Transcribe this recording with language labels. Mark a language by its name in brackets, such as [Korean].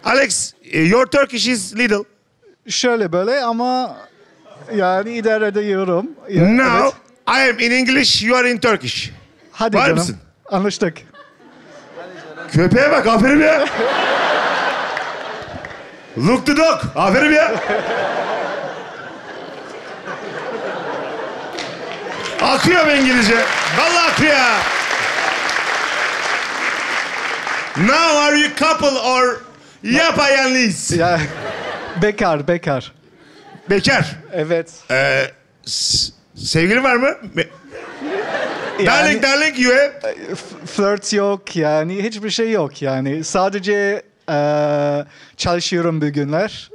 [English] Alex, your Turkish is little. [Turkish] Şöyle böyle ama yani idare ediyorum. [English] Now, evet. I am in English, you are in Turkish. [Turkish] Hadi var canım. Mısın? Anlaştık. Köpeğe bak, aferin ya. [English] Look the dog, [Turkish] aferin ya. Akıyor İngilizce. Vallahi akıyor. [English] Now are you couple or yapayalnız? Ya, [Turkish] bekar, bekar. Bekar? Evet. Sevgili var mı? [English] Yani, darling, darling, you have? [Turkish] Flirt yok yani, hiçbir şey yok yani. Sadece çalışıyorum bugünler.